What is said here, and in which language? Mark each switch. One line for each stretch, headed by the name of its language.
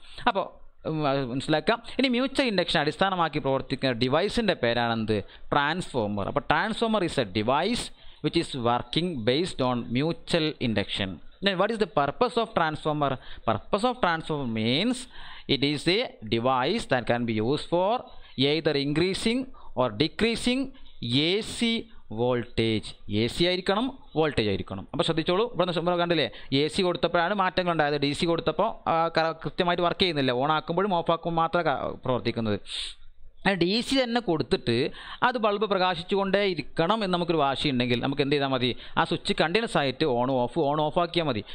Malayalam: Appo മനസ്സിലാക്കാം. ഇനി mutual induction അടിസ്ഥാനമാക്കി പ്രവർത്തിക്കുന്ന ഡിവൈസിൻ്റെ പേരാണെന്ത്, ട്രാൻസ്ഫോമർ.
English: അപ്പോൾ transformer is a device which is working based on mutual induction. Then what is the purpose of transformer? Purpose of transformer means it is a device that can be used for either increasing or decreasing AC voltage.
Malayalam: AC ആയിരിക്കണം, voltage ആയിരിക്കണം. അപ്പോൾ ശ്രദ്ധിച്ചോളൂ, ഇവിടെ നിന്ന് കണ്ടില്ലേ, AC കൊടുത്തപ്പോഴാണ് മാറ്റങ്ങളുണ്ടായത്, DC കൊടുത്തപ്പോൾ കൃത്യമായിട്ട് work ചെയ്യുന്നില്ല, ഓൺ ആക്കുമ്പോഴും ഓഫ് ആക്കുമ്പോൾ മാത്രമേ പ്രവർത്തിക്കുന്നത്. DC തന്നെ കൊടുത്തിട്ട് അത് ബൾബ് പ്രകാശിച്ചുകൊണ്ടേ ഇരിക്കണം എന്ന് നമുക്കൊരു വാശി ഉണ്ടെങ്കിൽ നമുക്ക് എന്ത് ചെയ്താൽ മതി, ആ സ്വിച്ച് കണ്ടിന്യൂസ് ആയിട്ട് ഓൺ ഓഫ് ആക്കിയാൽ മതി.